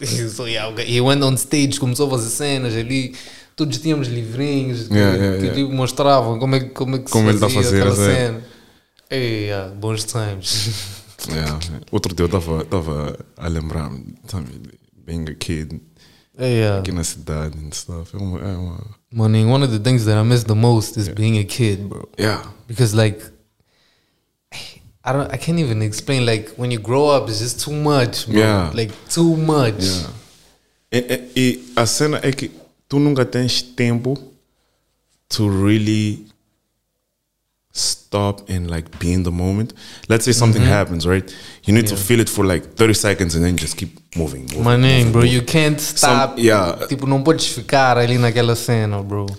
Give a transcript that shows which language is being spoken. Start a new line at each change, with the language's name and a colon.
English: So, yeah, he went on stage,
Portuguese: começou a fazer cenas ali. Todos tínhamos livrinhos que tipo, mostravam como é que ele está a fazer aquela cena. Yeah, bons times. Yeah. Outro dia eu estava a lembrar-me,
English: being a kid, Yeah. In a cidade and stuff. Morning. One of the things that I miss the most is being a kid, bro. Yeah. Because like, I can't even explain. Like when you grow up, it's just too much, bro. Yeah. Like too much. Yeah.
Portuguese: E a cena é que tu nunca tens tempo
English: to really stop and like be in the moment. Let's say something mm-hmm. happens, right? You need to feel it for like 30 seconds and then just keep moving. Moving, bro. You can't stop. Some, yeah.
Portuguese: Tipo, não podes ficar ali naquela cena, bro.